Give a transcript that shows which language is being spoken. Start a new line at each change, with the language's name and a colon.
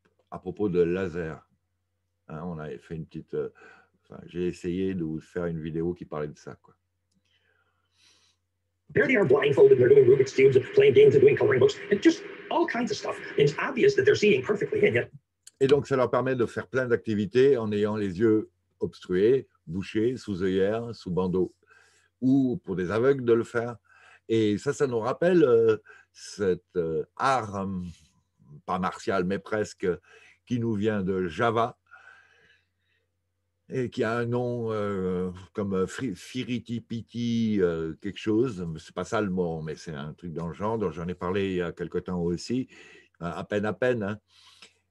French: À propos de laser, hein, on avait fait une petite j'ai essayé de vous faire une vidéo qui parlait de ça, quoi.
English: There they are blindfolded, they're doing Rubik's cubes, playing games, and doing coloring books, and just all kinds of stuff. And it's obvious that they're seeing perfectly, and yet.
French: Et donc, ça leur permet de faire plein d'activités en ayant les yeux obstrués, bouchés, sous œillères, sous bandeaux, ou pour des aveugles de le faire. Et ça, ça nous rappelle cet art, pas martial, mais presque, qui nous vient de Java, et qui a un nom comme Firitipiti, quelque chose, ce n'est pas ça le mot, mais c'est un truc dans le genre, dont j'en ai parlé il y a quelque temps aussi, à peine. Hein.